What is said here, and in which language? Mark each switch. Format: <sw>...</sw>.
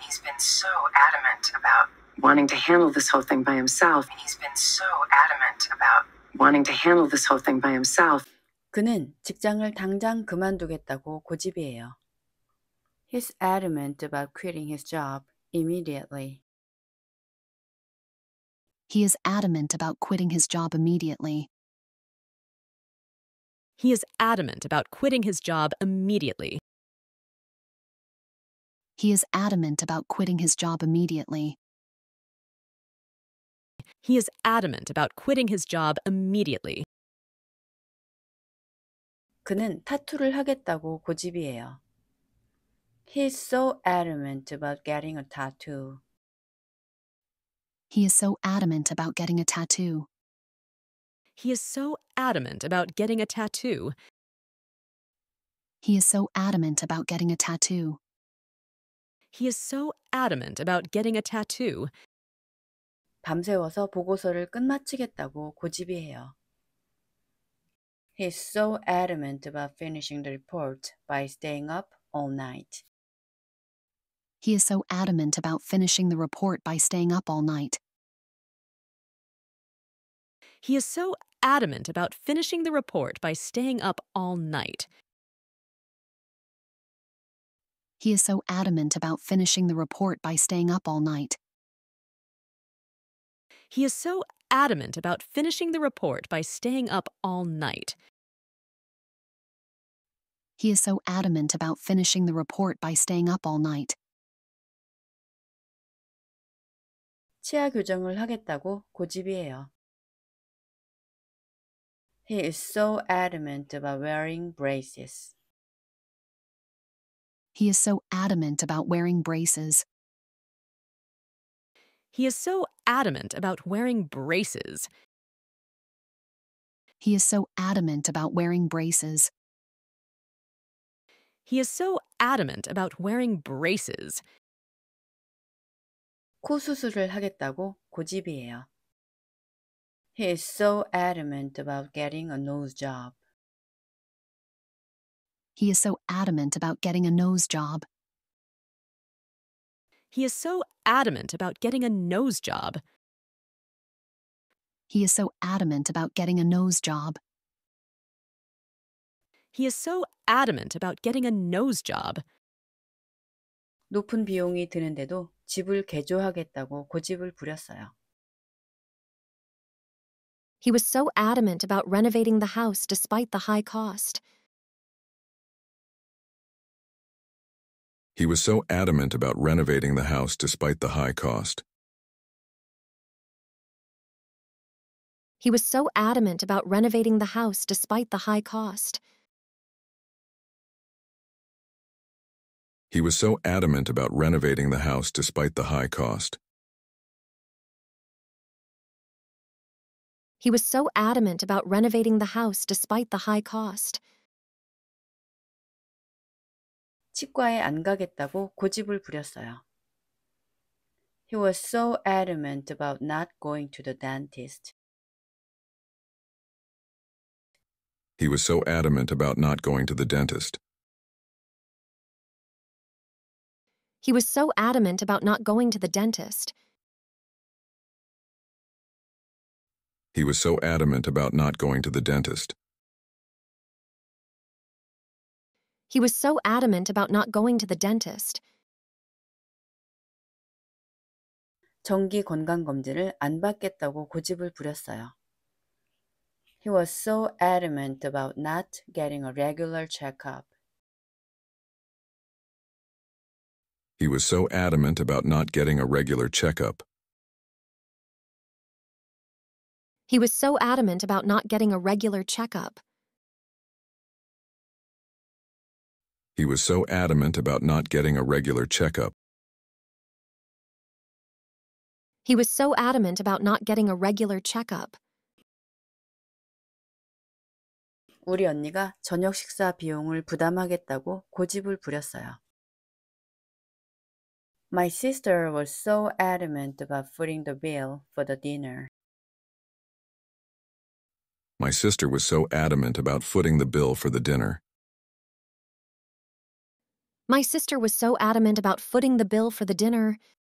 <en>been so adamant about wanting to handle this whole thing by himself. And he's been so adamant about wanting to handle this whole thing by himself.</en> <ko>그는 직장을 당장 그만두겠다고 고집이에요.</ko> <en>He's adamant about quitting his job immediately. He is adamant about quitting his job immediately. He is adamant about quitting his job immediately. He is adamant about quitting his job immediately. He is adamant about quitting his job immediately.</en> <ko>그는 타투를 하겠다고 고집이에요.</ko> <en>He is so adamant about getting a tattoo. He is so adamant about getting a tattoo. He is so adamant about getting a tattoo. He is so adamant about getting a tattoo. He is so adamant about getting a tattoo.</en> <ko>밤새워서 보고서를 끝마치겠다고 고집이에요.</ko> <en>He is so adamant about finishing the report by staying up all night. He is so adamant about finishing the report by staying up all night. He is so adamant about finishing the report by staying up all night. He is so adamant about finishing the report by staying up all night. He is so adamant about finishing the report by staying up all night. He is so adamant about finishing the report by staying up all night.</en> <ko>치아 교정을 하겠다고 고집이에요.</ko> <en>He is so adamant about wearing braces. He is so adamant about wearing braces. He is so adamant about wearing braces. He is so adamant about wearing braces. He is so adamant about wearing braces.</en> <ko>코 수술을 하겠다고 고집이에요.</ko> <en>He is so adamant about getting a nose job. He is so adamant about getting a nose job. He is so adamant about getting a nose job. He is so adamant about getting a nose job. He is so adamant about getting a nose job.</en> <ko>높은 비용이 드는데도 집을 개조하겠다고 고집을 부렸어요.</ko> <en>He was so adamant about renovating the house despite the high cost. He was so adamant about renovating the house despite the high cost. He was so adamant about renovating the house despite the high cost. He was so adamant about renovating the house despite the high cost. He was so adamant about renovating the house despite the high cost.</en> <ko>치과에 안 가겠다고 고집을 부렸어요.</ko> <en>He was so adamant about not going to the dentist. He was so adamant about not going to the dentist. He was so adamant about not going to the dentist. He was so adamant about not going to the dentist. He was so adamant about not going to the dentist.</en> <ko>정기 건강검진을 안 받겠다고 고집을 부렸어요.</ko> <en>He was so adamant about not getting a regular checkup. He was so adamant about not getting a regular checkup. He was so adamant about not getting a regular checkup. He was so adamant about not getting a regular checkup. He was so adamant about not getting a regular checkup.</en> <ko>우리 언니가 저녁 식사 비용을 부담하겠다고 고집을 부렸어요.</ko> <en>My sister was so adamant about footing the bill for the dinner. My sister was so adamant about footing the bill for the dinner. My sister was so adamant about footing the bill for the dinner.</en>